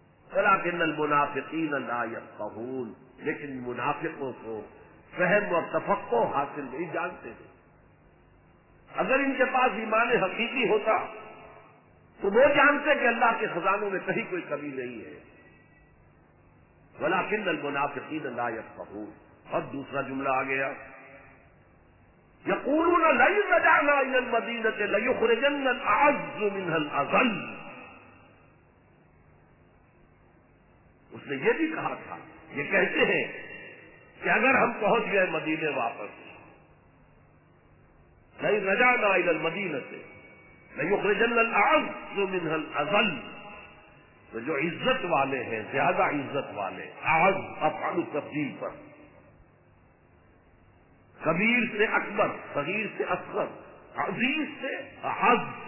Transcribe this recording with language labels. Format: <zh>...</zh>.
<ar>ولكن المنافقین لا يفقهون,</ar> <ur>لیکن منافقوں کو فہم اور تفقہ حاصل نہیں, جانتے ہیں. اگر ان کے پاس ایمان حقیقی ہوتا تو وہ جانتے کہ اللہ کے خزانوں میں کہیں کوئی کمی نہیں ہے.</ur> <ar>ولكن المنافقین لا يفقهون,</ar> <ur>اور دوسرا جملہ آ گیا,</ur> <ar>یقولون لن تدعنا الى المدینۃ لیخرجن الاعز منها الاذل.</ar> <ur>اس نے یہ بھی کہا تھا, یہ کہتے ہیں کہ اگر ہم پہنچ گئے مدینے واپس,</ur> <ar>لن تدعنا الى المدینۃ لیخرجن الاعز منها الاذل,</ar> <ur>تو جو عزت والے ہیں زیادہ عزت والے, اعز افعل تفضیل پر, کبیر سے اکبر, صغیر سے اصغر, عزیز سے احض,</ur>